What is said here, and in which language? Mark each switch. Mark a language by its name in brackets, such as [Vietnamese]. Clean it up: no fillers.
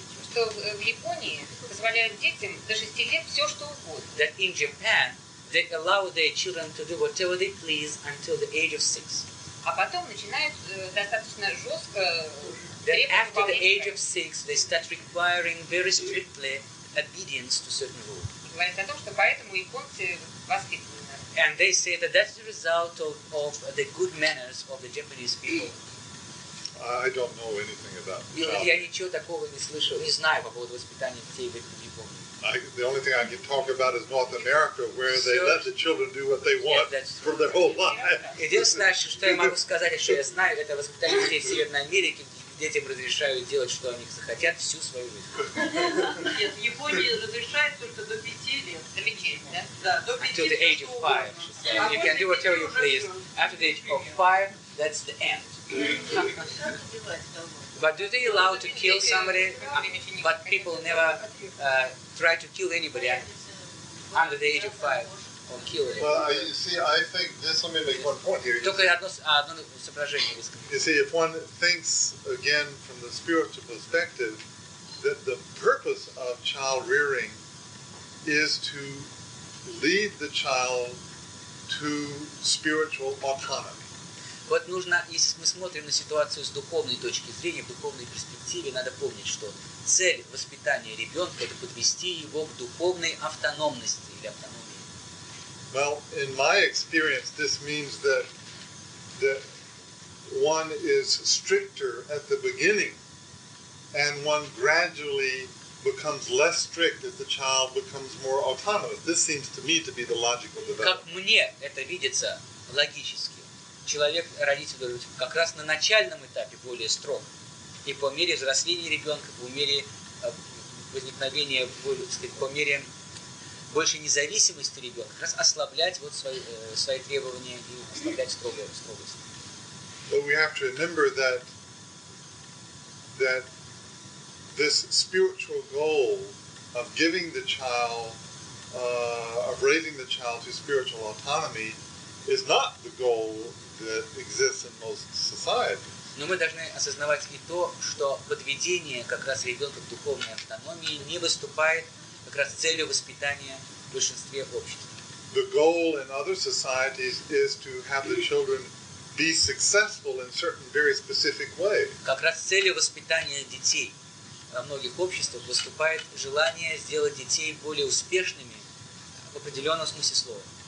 [Russian] Что в Японии позволяют детям до 6 лет все, что угодно. [English] That in Japan, they allow their children to do whatever they please until the age of 6. [Russian] А потом начинают достаточно жестко. [English] Then after the age of 6, they start requiring very strictly obedience to certain rules. [Russian] Говорят о том, что поэтому японцы воспитаны. [English] And they say that that's the result of the good manners of the Japanese people. I don't know anything about that. [Russian] Я ничего такого не слышал, не знаю по поводу воспитания детей в Японии. [English] The only thing I can talk about is North America, where they let the children do what they want for their whole life. [Russian] Единственное, что я могу сказать, что я знаю, это воспитание детей в Северной Америке, детям разрешают делать, что они захотят всю свою жизнь. Нет, в Японии разрешают только до 5 лет. До 5, да? До 5 лет. [English] Until the age of 5. You can do whatever you please. After the age of 5, that's the end. But do they allow to kill somebody? But people never try to kill anybody under the age of 5 or kill anybody. Well, I think just let me make one point here. You see, if one thinks again from the spiritual perspective, that the purpose of child rearing is to lead the child to spiritual autonomy. [Russian] Вот нужно, если мы смотрим на ситуацию с духовной точки зрения, в духовной перспективе, надо помнить, что цель воспитания ребенка – это подвести его к духовной автономности или автономии. [English] Well, in my experience, this means that one is stricter at the beginning, and one gradually becomes less strict as the child becomes more autonomous. This seems to me to be the logical development. [Russian] Как мне это видится логически? Человек, родитель должен быть как раз на начальном этапе более строг. И по мере взросления ребенка, по мере возникновения, по мере большей независимости ребенка, как раз ослаблять вот свои требования и ослаблять строгость. [English] But we have to remember that this spiritual goal of giving the child, of raising the child to spiritual autonomy, is not the goal that exists in most societies. [Russian] Но мы должны осознавать и то, что подведение как раз ребенка к духовной автономии не выступает как раз целью воспитания в большинстве общества. [English] The goal in other societies is to have the children be successful in certain very specific ways. [Russian] Как раз целью воспитания детей во многих обществах выступает желание сделать детей более успешными в определенном смысле слова.